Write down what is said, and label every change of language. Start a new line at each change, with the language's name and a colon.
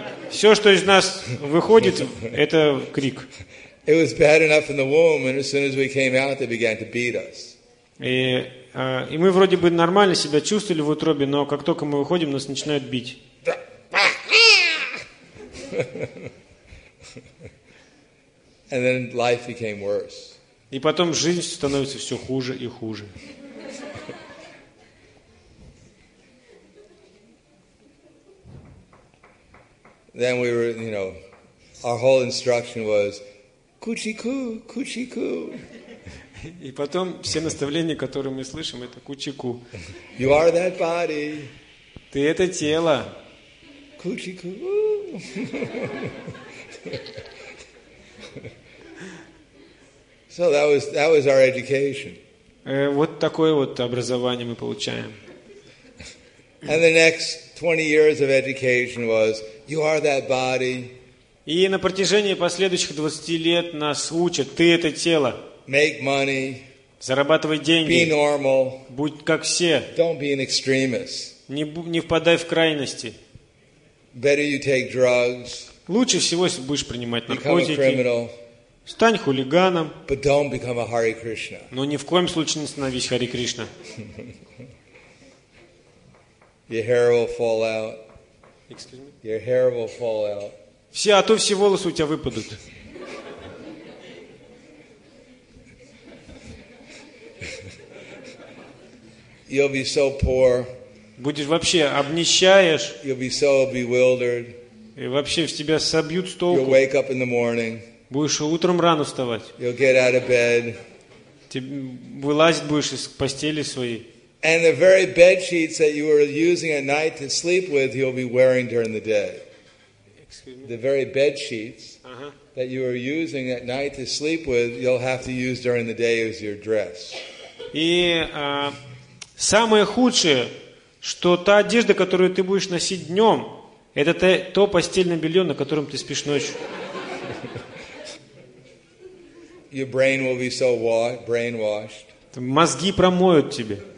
Russian: Все, что из нас выходит, это крик.
English: It was bad enough in the womb, and as soon as we came out, they began to beat us.
Russian: И мы вроде бы нормально себя чувствовали в утробе, но как только мы выходим, нас начинают бить.
English: And then life became worse.
Russian: И потом жизнь становится все хуже и хуже.
English: Then we were, you know, our whole instruction was
Russian: кучи-ку, кучи-ку. И потом все наставления, которые мы слышим, это кучи-ку.
English: You are that body.
Russian: Ты это тело. Кучи-ку.
English: So that was our education.
Russian: Вот такое вот образование мы получаем.
English: And the next 20 years of education was you are that body.
Russian: И на протяжении последующих 20 лет нас учат: ты это тело.
English: Make money.
Russian: Зарабатывай деньги.
English: Be normal.
Russian: Будь как все.
English: Don't be an extremist.
Russian: Не впадай в крайности.
English: Better you take drugs.
Russian: Лучше всего, если будешь принимать наркотики. Стань хулиганом.
English: But don't become a Hare Krishna.
Russian: Но ни в коем случае не становись Хари Кришна.
English: Your hair will fall out. Excuse me? Your hair will fall out.
Russian: Все, а то все волосы у тебя выпадут.
English: You'll be so poor.
Russian: Будешь вообще обнищаешь.
English: You'll be so bewildered.
Russian: И вообще в тебя собьют с толку.
English: You'll wake up in the morning.
Russian: Будешь утром рано вставать.
English: You'll get out of bed.
Russian: Ты вылазить будешь из постели своей.
English: And the very bed sheets that you were using at night to sleep with, you'll be wearing during the day. The very bed sheets that you were using at night to sleep with, you'll have to use during the day as your dress.
Russian: И самое худшее, что та одежда, которую ты будешь носить днем, это то постельное белье, на котором ты спишь ночью.
English: Your brain will be so brainwashed.
Russian: Мозги промоют тебе.